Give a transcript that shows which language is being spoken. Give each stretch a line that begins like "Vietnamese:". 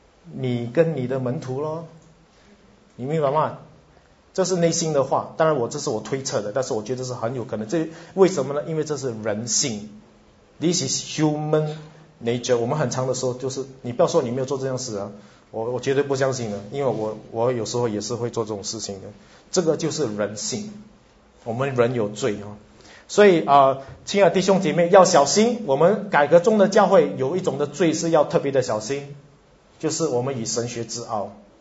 Chinese: 你跟你的门徒咯，你明白吗？这是内心的话，当然我这是我推测的，但是我觉得是很有可能。这为什么呢？因为这是人性，
English: This is human nature。
Chinese: 我们很长的时候就是，你不要说你没有做这样事啊，我绝对不相信的，因为我有时候也是会做这种事情的。这个就是人性，我们人有罪啊。所以亲爱的弟兄姐妹要小心，我们改革中的教会有一种的罪是要特别的小心，就是我们以神学自傲。